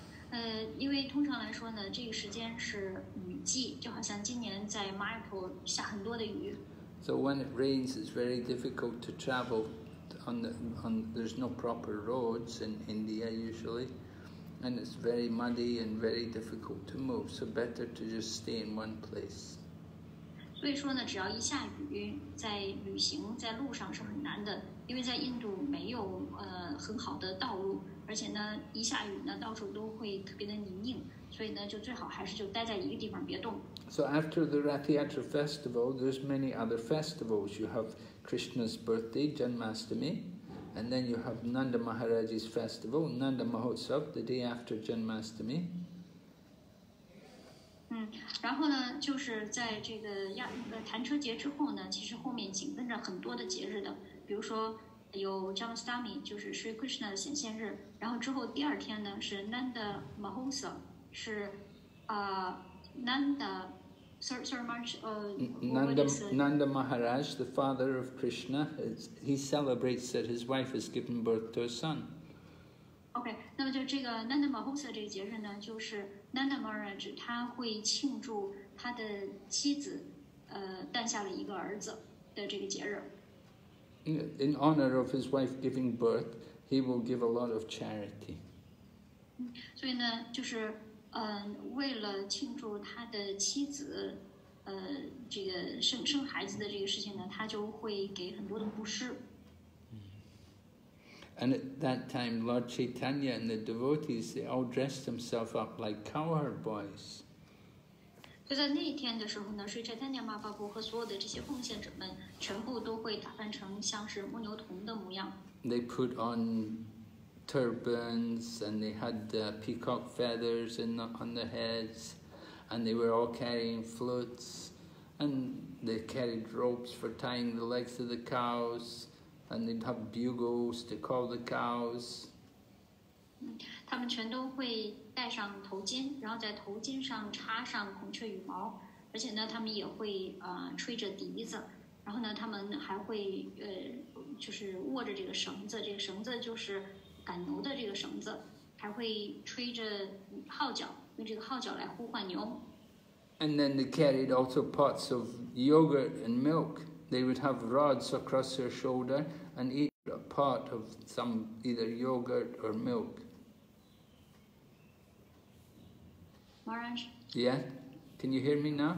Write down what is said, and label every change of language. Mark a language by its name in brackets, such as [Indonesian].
[English] So when it rains, it's very difficult to travel. There's no proper roads in India usually, and it's very muddy and very difficult to move. So better to just stay in one place. [Chinese] 所以说呢，只要一下雨，在旅行在路上是很难的，因为在印度没有很好的道路，而且呢一下雨呢到处都会特别的泥泞，所以呢就最好还是就待在一个地方别动。 [English] So after the Rath Yatra festival, there's many other festivals you have. Krishna's birthday, Janmashtami, and then you have Nanda Maharaj's festival, Nanda Mahotsav, the day after Janmashtami. [Chinese] 然后呢，就是在这个弹车节之后呢，其实后面紧跟着很多的节日的，比如说有 Janmashtami 就是 Sri Krishna 的显现日，然后之后第二天呢是 Nanda Mahotsav 是Nanda [English] Nanda Maharaj, the father of Krishna, he celebrates that his wife has given birth to a son. [Chinese] Okay, 那么就这个 Nanda Mahotsav 这个节日呢，就是 Nanda Maharaj 他会庆祝他的妻子，诞下了一个儿子的这个节日。 [English] In honor of his wife giving birth, he will give a lot of charity. [Chinese] 所以呢，就是。为了庆祝他的妻子，这个生孩子的这个事情呢，他就会给很多的布施。 [English] And at that time, Lord Chaitanya and the devotees, they all dressed themselves up like cowherd boys. [Chinese] 就在那一天的时候呢，所以 Chaitanya Mahaprabhu 和所有的这些奉献者们，全部都会打扮成像是牧牛童的模样。 [English] They put on. Turbans and they had peacock feathers on their heads, and they were all carrying flutes, and they carried ropes for tying the legs of the cows, and they'd have bugles to call the cows. [Chinese] 他们全都会戴上头巾，然后在头巾上插上孔雀羽毛，而且呢，他们也会吹着笛子，然后呢，他们还会就是握着这个绳子，这个绳子就是。赶牛的这个绳子，还会吹着号角，用这个号角来呼唤牛。 [English] And then they carried also pots of yogurt and milk. They would have rods across their shoulder and eat a pot of some either yogurt or milk. Maharaj. Yeah, can you hear me now?